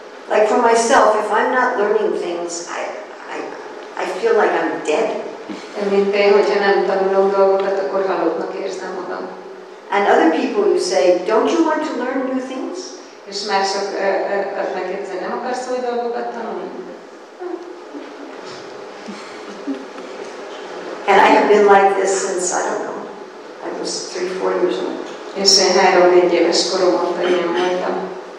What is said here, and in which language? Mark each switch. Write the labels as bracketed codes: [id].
[en] Like for myself, if I'm not learning things, I feel like I'm dead. [hu] Mint én, hogyha nem tanulom dolgokat, akkor halottnak érzem magam. [en] And other people who say, don't you want to learn new things? [hu] És mások azt megkérdezik, nem akarsz új dolgokat tanulni? [en] And I have been like this since, I don't know, I was 3-4 years old. [hu] És én 3-4 éves korom óta ilyen voltam.